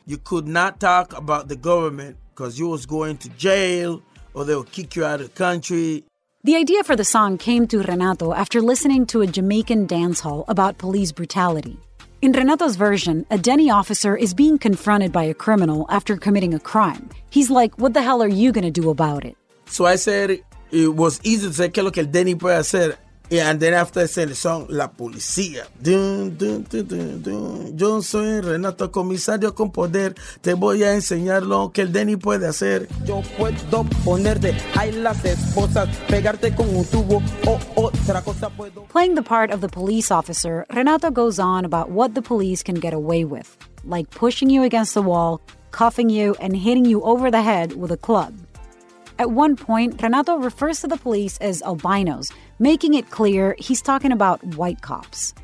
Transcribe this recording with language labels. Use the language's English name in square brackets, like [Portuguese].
[English] You could not talk about the government, because you was going to jail or they'll kick you out of the country. The idea for the song came to Renato after listening to a Jamaican dance hall about police brutality. In Renato's version, a Deni officer is being confronted by a criminal after committing a crime. He's like, what the hell are you going to do about it? So I said, it was easy to say, [Spanish] ¿qué lo que el Deni puede hacer? [English] Yeah, and then after I sang the song, La Policía. Dun, dun, dun, dun, dun. [Spanish] Yo soy Renato, comisario con poder. Te voy a enseñar lo que el Deni puede hacer. Yo puedo ponerte ahí las esposas, pegarte con un tubo o otra cosa puedo. [English] Playing the part of the police officer, Renato goes on about what the police can get away with, like pushing you against the wall, cuffing you, and hitting you over the head with a club. At one point, Renato refers to the police as albinos, making it clear he's talking about white cops.